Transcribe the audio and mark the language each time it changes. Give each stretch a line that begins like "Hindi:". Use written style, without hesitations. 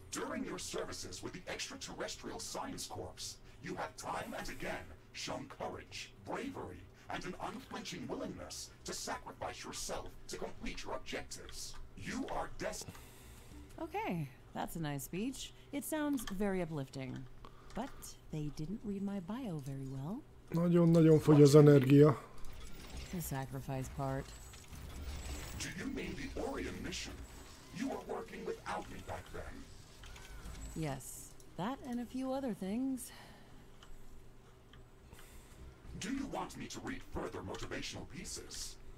English: During your services with the Extraterrestrial Science Corps, you have time and again shown courage, bravery, and an unflinching willingness to sacrifice yourself to complete your objectives. You are destined. Okay, that's a nice speech. It sounds very uplifting. But they didn't read my bio very well.
Hungarian: Nagyon, nagyon fogy az energia.
English: The sacrifice part. Do you mean the Orion mission? You were working without me back then. Yes, that and a few other things. Do you want me to read further motivational pieces?